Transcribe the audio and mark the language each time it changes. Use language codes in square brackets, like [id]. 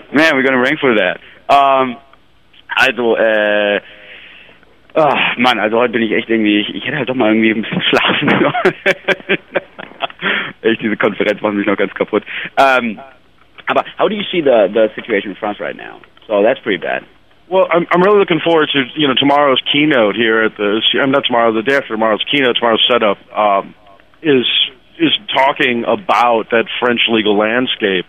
[en] Man, we're going to rank for that. [de] Also heute bin ich echt irgendwie, ich hätte halt doch mal irgendwie ein bisschen schlafen können. Echt, diese Konferenz macht mich noch ganz kaputt. Aber [en] how do you see the situation in France right now? So that's pretty bad. Well, I'm really looking forward to, you know, tomorrow's keynote here at the day after tomorrow's keynote, tomorrow's setup, is talking about that French legal landscape.